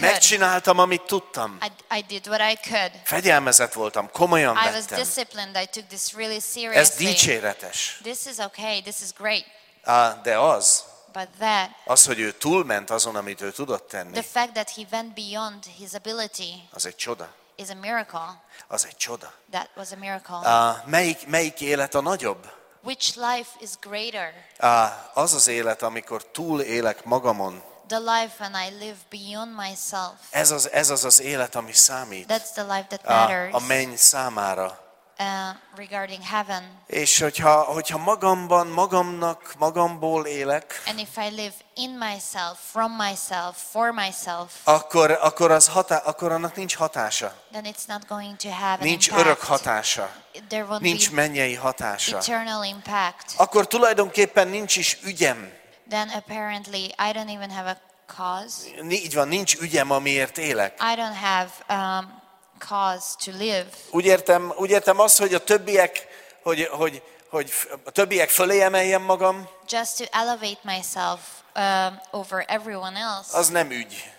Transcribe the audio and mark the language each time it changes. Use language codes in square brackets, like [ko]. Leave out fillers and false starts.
[hu] Megcsináltam, amit tudtam. [en] I did what I could. [hu] Fegyelmezett voltam, komolyan vettem. [en] I was disciplined. I took this really seriously. [hu] Ez dicséretes. [en] This is okay. This is great. [hu] De az. [en] But that. [hu] Az, hogy ő túlment azon, amit ő tudott tenni. [en] The fact that he went beyond his ability. [hu] Az egy csoda. [en] Is a miracle. [hu] Az egy csoda. [en] That was a miracle. [hu] Melyik élet a nagyobb? [en] Which life is greater? [hu] Az az élet, amikor túl élek magamon. [en] The life when I live beyond myself. [hu] Ez az élet, ami számít. [en] That's the life that matters. [hu] A menny számára. [en] Regarding heaven. [hu] És hogyha magamból élek. [en] And if I live in myself, from myself, for myself. [hu] Akkor annak nincs hatása. [en] Then it's not going to have [hu] nincs [en] an impact. [hu] Örök hatása. [en] There will [hu] nincs [en] be [hu] mennyei hatása. [en] Eternal impact. [hu] Akkor tulajdonképpen nincs is ügyem. [en] Then apparently I don't even have a cause. [hu] Így van, nincs ügyem, amiért élek. [en] I don't have cause to live. [hu] Úgy értem azt, hogy a többiek, hogy a többiek fölé emeljem magam. [en] Just to elevate myself over everyone else. [hu] Az nem ügy.